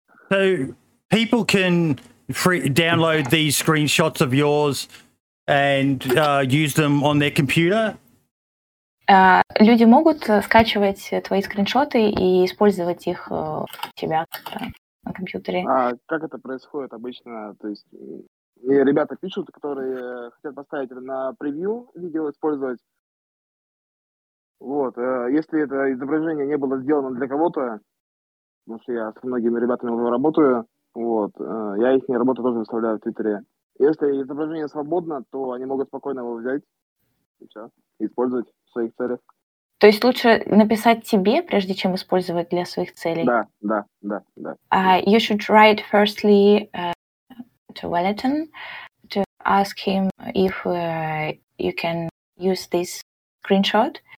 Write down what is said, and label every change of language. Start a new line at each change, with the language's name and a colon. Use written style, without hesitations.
English: So people can download these screenshots of yours And use them on their computer?
Russian: Люди могут скачивать твои скриншоты и использовать их у тебя на компьютере. А как это происходит обычно? То есть и ребята пишут, которые хотят поставить на превью видео использовать. Вот, если это изображение не было сделано для кого-то, потому что я с многими ребятами уже работаю, вот, я их работу тоже выставляю в Твиттере. Если изображение свободно, то они могут спокойно его взять и все, использовать в своих целях. То есть лучше написать тебе, прежде чем использовать для своих целей? Да, да, да, да.
English: You should write firstly to Wellington to ask him if you can use this screenshot.